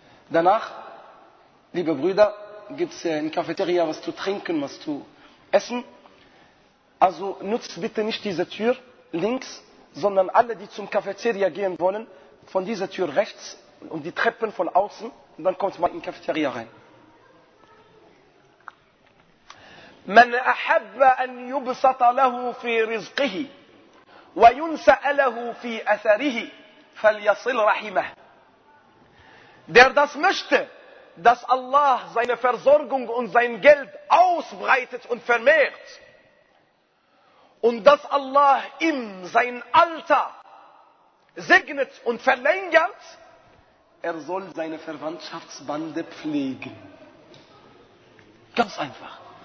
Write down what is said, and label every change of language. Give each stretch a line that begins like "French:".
German: Danach, liebe Brüder, gibt es in der Cafeteria was zu trinken, was zu essen. Also nutzt bitte nicht diese Tür links, sondern alle, die zum Cafeteria gehen wollen, von dieser Tür rechts und die Treppen von außen und dann kommt man in die Cafeteria rein.
Arabic: من أحب أن يبسط له في رزقه وينسأ له في أثره فليصل رحمه.
German: Der das möchte, dass Allah seine Versorgung und sein Geld ausbreitet und vermehrt und dass Allah ihm sein Alter segnet und verlängert, er soll seine Verwandtschaftsbande pflegen. Ganz einfach.